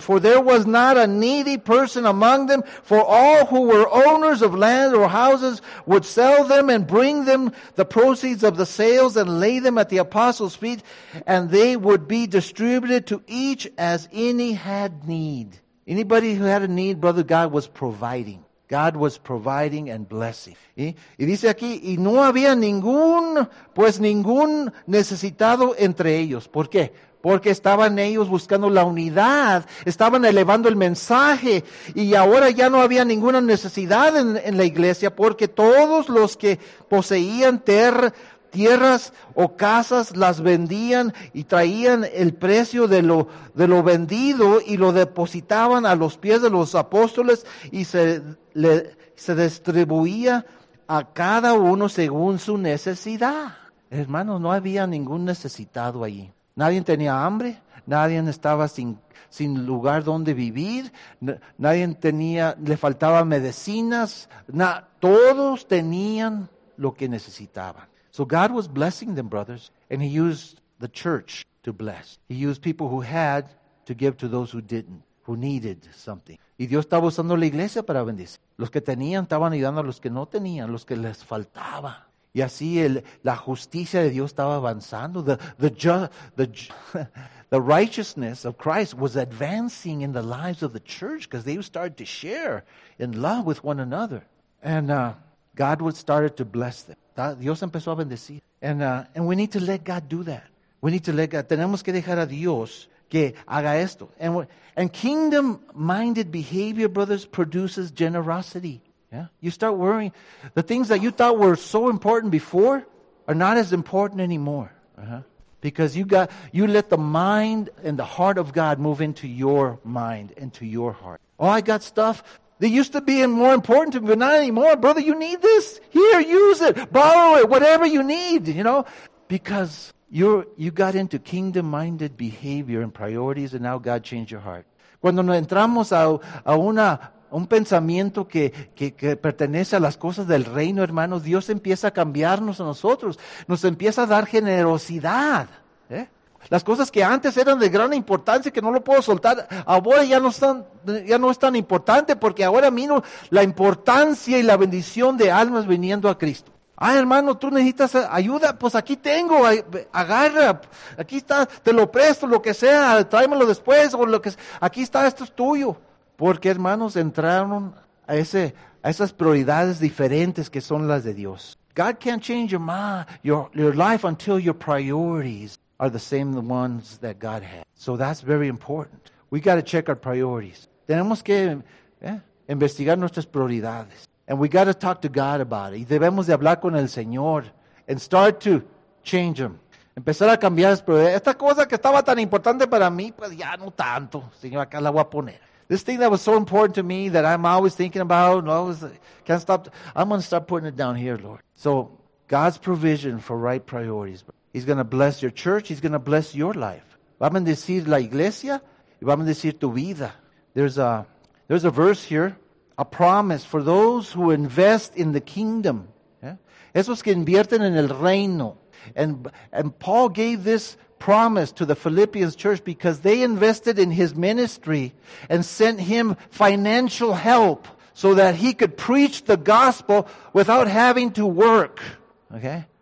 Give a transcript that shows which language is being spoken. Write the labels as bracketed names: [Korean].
[English] For there was not a needy person among them, for all who were owners of land or houses would sell them and bring them the proceeds of the sales and lay them at the apostles' feet, and they would be distributed to each as any had need. Anybody who had a need, brother, God was providing. God was providing and blessing. [Spanish] Y dice aquí, y no había ningún necesitado entre ellos. ¿Por qué? Porque estaban ellos buscando la unidad, estaban elevando el mensaje, y ahora ya no había ninguna necesidad en la iglesia, porque todos los que poseían tierras o casas las vendían y traían el precio de lo vendido y lo depositaban a los pies de los apóstoles y se distribuía a cada uno según su necesidad. Hermanos, no había ningún necesitado allí. Nadie tenía hambre, nadie estaba sin lugar donde vivir, nadie tenía, le faltaban medicinas, todos tenían lo que necesitaban. [English] So God was blessing them, brothers, and He used the church to bless. He used people who had to give to those who didn't, who needed something. [Spanish] Y Dios estaba usando la iglesia para bendecir. Los que tenían estaban ayudando a los que no tenían, los que les faltaba. Y así la justicia de Dios estaba avanzando. [English] The righteousness of Christ was advancing in the lives of the church because they started to share in love with one another. And God started to bless them. [Spanish] Dios empezó a bendecir. [English] And we need to let God do that. We need to let God. [Spanish] Tenemos que dejar a Dios que haga esto. [English] And kingdom-minded behavior, brothers, produces generosity. Yeah? You start worrying. The things that you thought were so important before are not as important anymore. Uh-huh. Because you let the mind and the heart of God move into your mind, into your heart. Oh, I got stuff that used to be more important to me, but not anymore. Brother, you need this? Here, use it. Borrow it. Whatever you need, you know. Because you got into kingdom-minded behavior and priorities, and now God changed your heart. [Spanish] Cuando nos entramos a un pensamiento que pertenece a las cosas del reino, hermanos, Dios empieza a cambiarnos a nosotros. Nos empieza a dar generosidad. Las cosas que antes eran de gran importancia que no lo puedo soltar, ahora ya no es tan importante porque ahora miro la importancia y la bendición de almas viniendo a Cristo. Ah, hermano, tú necesitas ayuda, pues aquí tengo, agarra, aquí está, te lo presto, lo que sea, tráemelo después, o lo que aquí está, esto es tuyo. Porque, hermanos, entraron a ese a esas prioridades diferentes que son las de Dios. [English] God can't change your mind, your life until your priorities are the same the ones that God has. So that's very important. We got to check our priorities. [Spanish] Tenemos que investigar nuestras prioridades. [English] And we got to talk to God about it. [Spanish] Y debemos de hablar con el Señor [English] and start to change them. [Spanish] Empezar a cambiar las prioridades. Esta cosa que estaba tan importante para mí, pues ya no tanto. Señor, acá la voy a poner. [English] This thing that was so important to me that I'm always thinking about, and always can't stop. I'm going to start putting it down here, Lord. So God's provision for right priorities. He's going to bless your church. He's going to bless your life. [Spanish] Va a bendecir la iglesia y va a bendecir tu vida. [English] There's a verse here, a promise for those who invest in the kingdom. Yeah? [Spanish] Esos que invierten en el reino. [English] And Paul gave this promise to the Philippians church because they invested in his ministry and sent him financial help so that he could preach the gospel without having to work. Okay?